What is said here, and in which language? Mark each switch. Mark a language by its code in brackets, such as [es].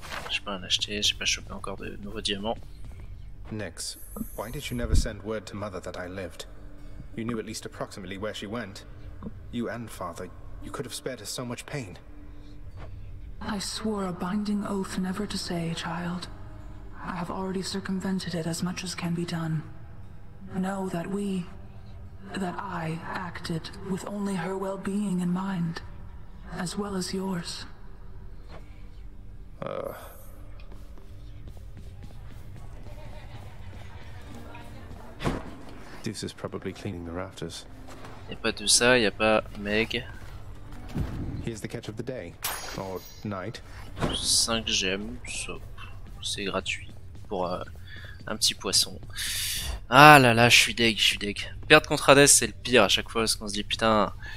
[fr] J'ai pas en acheté, j'ai pas chopé encore de nouveaux diamants. [en] Nix, why did you never send word to mother that I lived? You knew at least approximately where she went. You and father, you could have spared her so much pain. I swore a binding oath never to say, child. I have already circumvented it as much as can be done. Know that we... that I acted with only her well-being in mind. as well as yours. Deuce is probably cleaning the rafters. [fr] Y'a pas tout ça, y'a pas Meg. [en] Here's the catch of the day, or night. [fr] 5 gemmes, so, c'est gratuit pour un petit poisson. Ah là là, je suis deg. Perdre contre Hades, c'est le pire à chaque fois parce qu'on se dit putain.